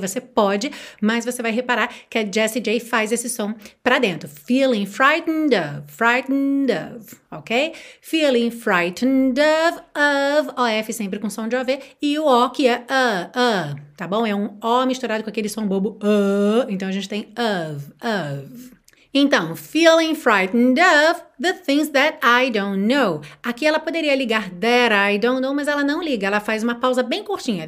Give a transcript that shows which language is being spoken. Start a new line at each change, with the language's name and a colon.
Portuguese: Você pode, mas você vai reparar que a Jessie J faz esse som pra dentro.
English: Feeling frightened of, ok? Feeling frightened of,
Portuguese: OF sempre com som de OV, e o O que é tá bom? É um O misturado com aquele som bobo, então a gente tem of. Então,
English: feeling frightened of the things that I don't know.
Portuguese: Aqui ela poderia ligar
English: that I don't know,
Portuguese: mas ela não liga. Ela faz uma pausa bem curtinha.